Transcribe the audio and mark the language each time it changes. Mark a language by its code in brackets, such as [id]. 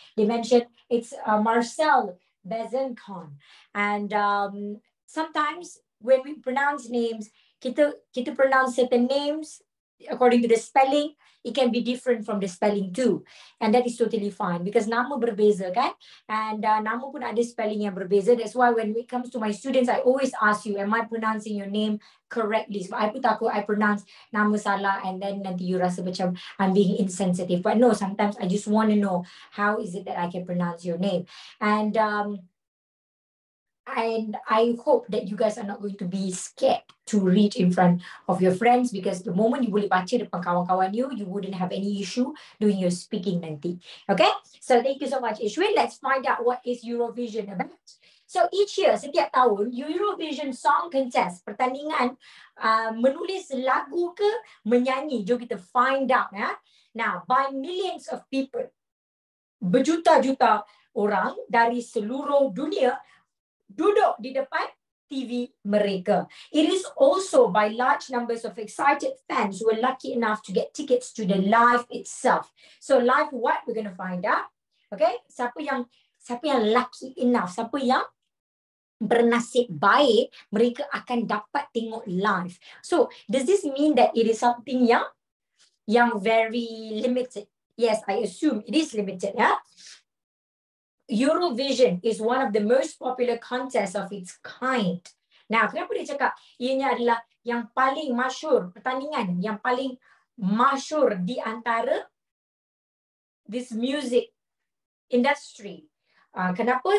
[en] They mentioned it's Marcel Bezencon. And sometimes when we pronounce names, [ms] kita [en] pronounce certain names according to the spelling, it can be different from the spelling too. And that is totally fine because [ms] nama berbeza, kan? And nama pun ada spelling yang berbeza. [en] That's why when it comes to my students, I always ask you, am I pronouncing your name correctly? So I [ms] pun takut [en] I pronounce [ms] nama salah [en] and then [ms] nanti [en] you [ms] rasa macam [en] I'm being insensitive. But no, sometimes I just want to know how is it that I can pronounce your name. And I hope that you guys are not going to be scared to read in front of your friends, because the moment you [ms] boleh baca depan kawan-kawan [en] you, you wouldn't have any issue doing your speaking [ms] nanti. [en] Okay? So thank you so much, Ishwin. Let's find out what is Eurovision about. So each year, [ms] setiap tahun, Eurovision Song Contest, pertandingan menulis lagu ke menyanyi. Jom kita [en] find out. [ms] Eh? [en] Now, by millions of people, [ms] berjuta-juta orang dari seluruh dunia duduk di depan TV mereka. [en] It is also by large numbers of excited fans who were lucky enough to get tickets to the live itself. So live what? We're going to find out. Okay? [ms] Siapa yang [en] lucky enough, [ms] siapa yang bernasib baik, mereka akan dapat tengok live. [en] So does this mean that it is something [ms] yang [en] very limited? Yes, I assume it is limited. Yeah. Eurovision is one of the most popular contests of its kind. [ms] Now, kenapa dia cakap ianya adalah yang paling masyur, pertandingan yang paling masyur di antara [en] this music industry? [ms] Kenapa?